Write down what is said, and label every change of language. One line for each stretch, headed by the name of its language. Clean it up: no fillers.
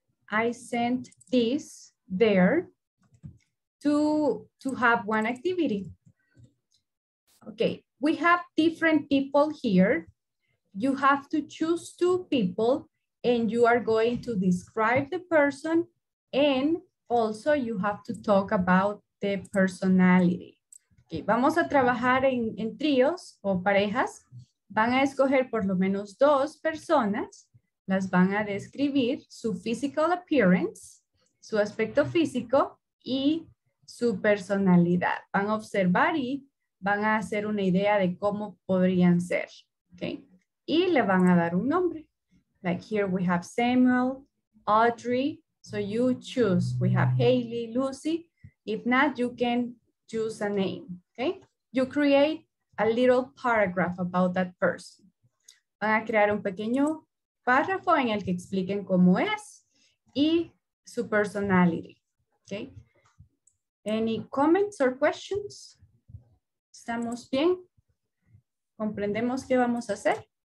English: I sent this there to have one activity. Okay. We have different people here. You have to choose two people and you are going to describe the person, and also you have to talk about the personality.
Spanish: Okay, vamos a trabajar en tríos o parejas. Van a escoger por lo menos dos personas. Las van a describir su physical appearance, su aspecto físico y su personalidad. Van a observar y van a hacer una idea de cómo podrían ser. Okay? Y le van a dar un nombre.
English: Like here we have
Spanish: Samuel, Audrey.
English: So you choose. We have Haley, Lucy. If not, you can choose a name, okay? You create a little paragraph about that person.
Spanish: Van a crear un pequeño párrafo en el que expliquen cómo es y su personality, okay?
English: Any comments or questions?
Spanish: ¿Estamos bien? ¿Comprendemos qué vamos a hacer?